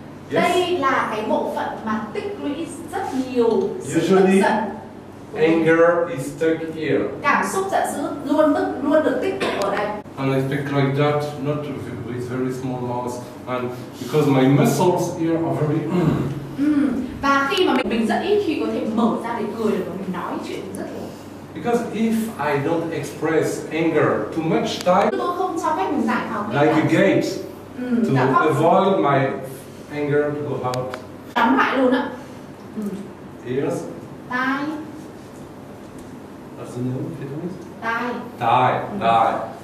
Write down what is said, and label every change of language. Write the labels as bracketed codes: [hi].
[vi] Đây là cái bộ phận mà tích lũy rất nhiều sự [en] usually, [vi] tức giận. [en] Anger is stuck here. [vi] Cảm xúc giận dữ luôn tức luôn được tích tụ ở đây. [en] And I speak like that, not with very small mouth, and because my muscles here are very. [vi] Và khi mà mình giận ít khi có thể mở ra để cười được và mình nói chuyện rất là. [en] Because if I don't express anger too much time, [vi] tôi không cho phép mình giải phóng. [en] Like a gate to avoid my anger to go out. [vi] Đóng lại luôn ạ. [en] Ears. [vi] Tai. [en] What's the name of it? [vi] Tai. Tai. Tai.